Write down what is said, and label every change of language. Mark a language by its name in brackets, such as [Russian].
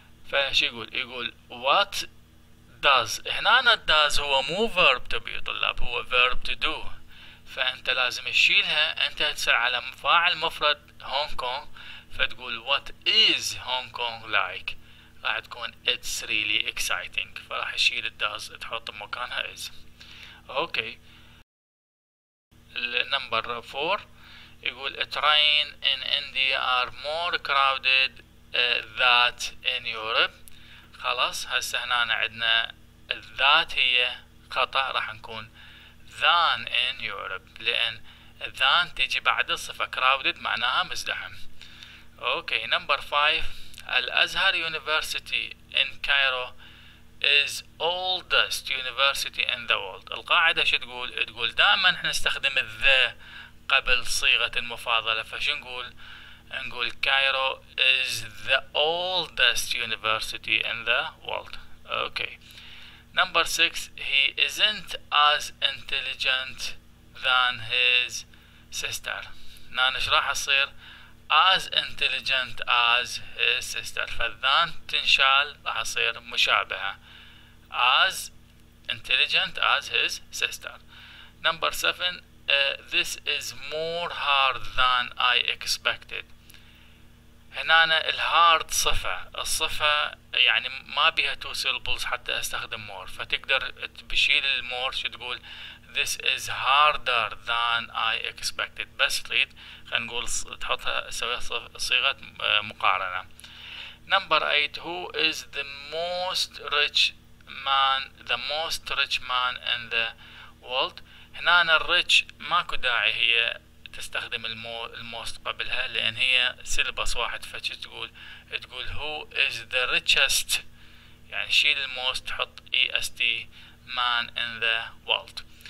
[Arabic] فش يقول؟ يقول [English] what does، [Arabic] هنا أنا does هو مو [English] verb to be [Arabic] طلاب، هو [English] verb to do، [Arabic] فأنت لازم تشيلها، أنت تصير على فاعل مفرد هونغ كونغ، فتقول [English] what is Hong Kong like، [Arabic] راح تكون [English] it's really exciting، [Arabic] فراح تشيل does تحط مكانها is. أوكي. [English] number four يقول train in India are more crowded that in Europe. [Arabic] خلاص هسه هنا عندنا that هي خطأ، راح نكون [English] than in Europe، [Arabic] لأن than تيجي بعد الصفة crowded معناها مزدحم. [English] Okay number 5، الأزهر University in Cairo is oldest university in the world. [Arabic] القاعدة شو تقول؟ تقول دائما احنا نستخدم the قبل صيغة المفاضلة، فشو نقول؟ نقول [English] Cairo is the oldest university in the world. Okay number 6، he isn't as intelligent than his sister. [Arabic] نان ايش راح يصير؟ [English] as intelligent as his sister، [Arabic] فالذان تنشال راح يصير مشابهة [English] as intelligent as his sister. Number 7، this is more hard than I expected. [Arabic] هنا الهارد صفة، الصفة يعني ما بيها [English] two syllables [Arabic] حتى استخدم more، فتقدر بشيل المور شو تقول [English] this is harder than I expected، [Arabic] بس تريد خلينا نقول تحطها سوي صيغة مقارنة. [English] Number 8، who is the most rich man، the most rich man in the world. [Arabic] هنا الريتش ماكو داعي هي تستخدم الموست قبلها، لان هي سيلبس واحد، فتش تقول تقول [English] who is the richest، [Arabic] يعني شيل الموست حط est [English] man in the world.